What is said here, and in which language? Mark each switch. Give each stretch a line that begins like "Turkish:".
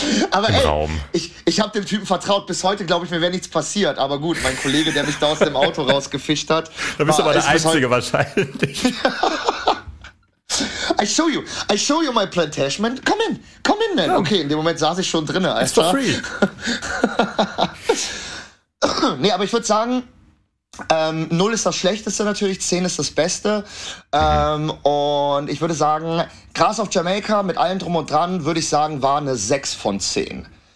German: Aber ey, ich habe dem Typen vertraut. Bis heute, glaube ich, mir wäre nichts passiert. Aber gut, mein Kollege, der mich da aus dem Auto rausgefischt hat... Da bist du aber der Einzige wahrscheinlich.
English: I show you my plantation. Come in, man. Ja.
German: Okay, in dem Moment saß ich schon drinnen.
English: It's for free.
German: Nee, aber ich würde sagen... 0 ist das Schlechteste natürlich, 10 ist das Beste. Und ich würde sagen, Gras auf Jamaika mit allem drum und dran, würde ich sagen, war eine 6 von 10.